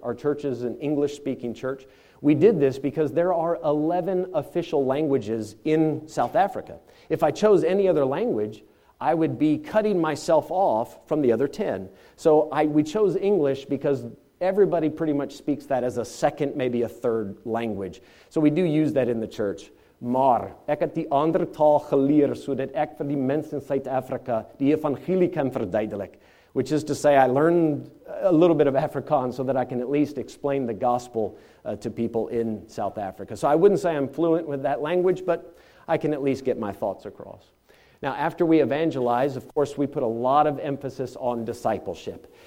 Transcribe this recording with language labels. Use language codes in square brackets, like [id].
[en] Our church is an English speaking church. We did this because there are 11 official languages in South Africa. If I chose any other language, I would be cutting myself off from the other 10. So we chose English because everybody pretty much speaks that as a second, maybe a third language. So we do use that in the church. [af] Maar ek het die ander taal geleer sodat ek vir die mense in Suid-Afrika die evangelie kan verduidelik. [en] Which is to say, I learned a little bit of Afrikaans so that I can at least explain the gospel to people in South Africa. So I wouldn't say I'm fluent with that language, but I can at least get my thoughts across. Now, after we evangelize, of course, we put a lot of emphasis on discipleship.